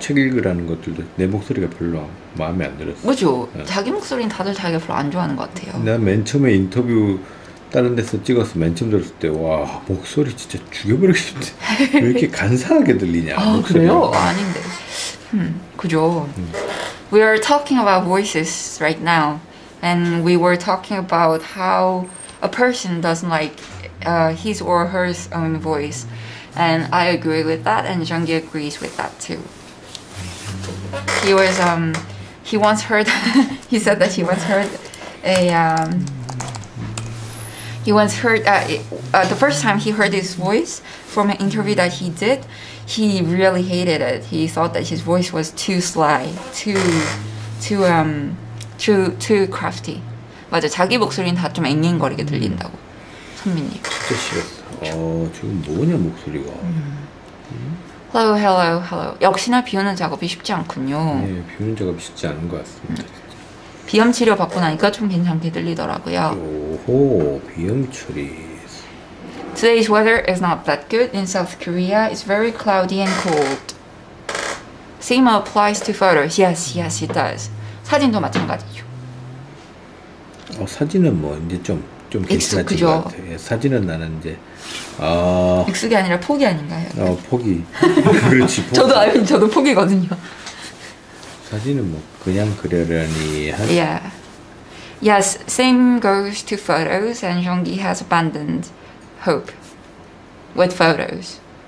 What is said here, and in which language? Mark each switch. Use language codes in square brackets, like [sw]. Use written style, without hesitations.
[ko] 책 읽으라는 것들도 내 목소리가 별로 마음에 안 들었어요. 그죠? 네. 자기 목소리는 다들 자기가 별로 안 좋아하는 것 같아요. 난 맨 처음에 인터뷰 다른 데서 찍어서 맨 처음 들었을 때 와, 목소리 진짜 죽여버리고 싶은데 왜 이렇게 간사하게 들리냐, 아, 목소리가. 그래요? 아닌데. 그죠? [en] We are talking about voices right now, and we were talking about how a person doesn't like his or her own voice, and I agree with that, and Jungi agrees with that too. He was, he once heard, he said that he once heard a, he once heard, the first time he heard his voice from an interview that he did, he really hated it. He thought that his voice was too sly, too crafty. [ko] 맞아, 자기 목소리는 다 좀 앵앵거리게 들린다고. 선미님. 진짜 싫었어. 지금 뭐냐, 목소리가. [en] Hello. [ko] 역시나 비우는 작업이 쉽지 않군요. 네, 비우는 작업이 쉽지 않은 것 같습니다. 비염 치료 받고 나니까 좀 괜찮게 들리더라고요. 오호, 비염 처리. [en] Today's weather is not that good in South Korea. It's very cloudy and cold. Same applies to photos. Yes, it does. [ko] 사진도 마찬가지죠. 사진은 뭐 이제 좀 괜찮아진 것 같아요. 예, 사진은 나는 이제 익숙이 아니라 포기 아닌가요? 포기. 그렇지. 포기. 저도 포기거든요. 사진은 뭐 그냥 그려려니 [en] 한. Yeah. Yes, same goes to photos, and Jeonggi has abandoned hope with photos.